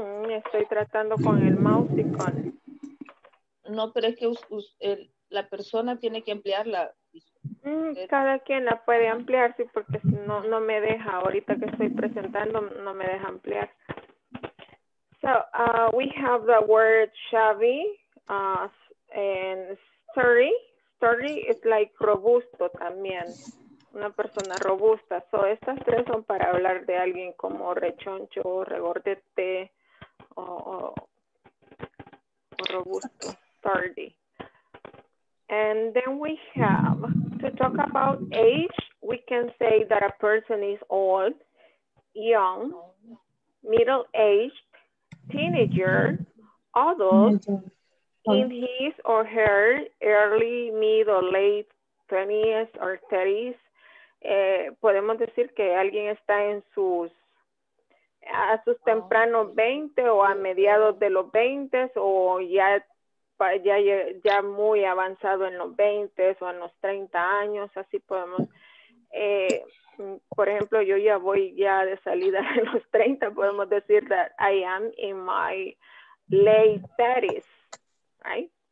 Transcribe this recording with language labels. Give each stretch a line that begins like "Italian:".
Spanish: Estoy tratando con el mouse y con... No, pero es que la persona tiene que ampliarla. Cada quien la puede ampliar, sí, porque no, no me deja, ahorita que estoy presentando, no me deja ampliar.
English: So, we have the word shabby and sturdy. Sturdy is like
Spanish: robusto también, una persona robusta. So, estas tres son para hablar de alguien como rechoncho, regordete, o robusto, sturdy.
English: And then we have, to talk about age, we can say that a person is old, young, middle-aged, teenager, adult, in his or her early, mid, or late 20s or 30s.
Spanish: Podemos decir que alguien está en sus, a sus tempranos 20 o a mediados de los 20s o ya ya muy avanzado en los 20 o en los 30 años, así podemos, por ejemplo, yo ya voy ya de salida de los 30, podemos decir
English: that I am in my late 30s, right?